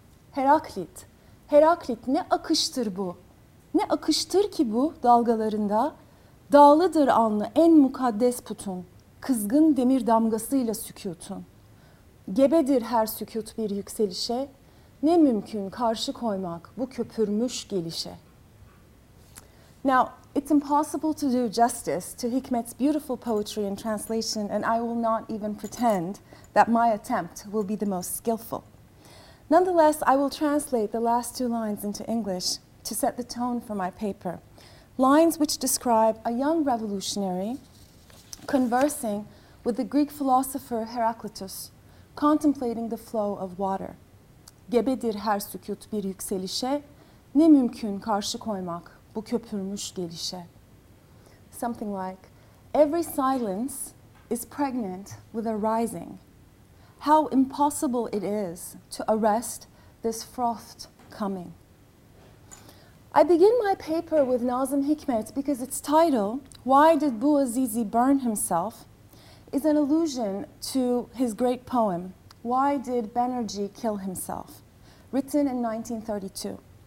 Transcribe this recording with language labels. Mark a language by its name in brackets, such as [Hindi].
[Turkish] Heraklit, Heraklit ne akıştır bu, ne akıştır ki bu dalgalarında, dağlıdır alnı en mukaddes putun, kızgın demir damgasıyla sükutun. Gebedir her sükut bir yükselişe, ne mümkün karşı koymak bu köpürmüş gelişe. [English] Now, it's impossible to do justice to Hikmet's beautiful poetry in translation, and I will not even pretend that my attempt will be the most skillful. Nonetheless, I will translate the last two lines into English to set the tone for my paper, lines which describe a young revolutionary conversing with the Greek philosopher Heraclitus, contemplating the flow of water. [Turkish] Gebedir her sükut bir yükselişe, ne mümkün karşı koymak bu köpürmüş gelişe. [English] Something like, every silence is pregnant with a rising. How impossible it is to arrest this frothed coming. I begin my paper with Nazım Hikmet because its title, Why Did Bu Azizi Burn Himself?, is an allusion to his great poem, Why Did Benerji Kill Himself?, written in 1932.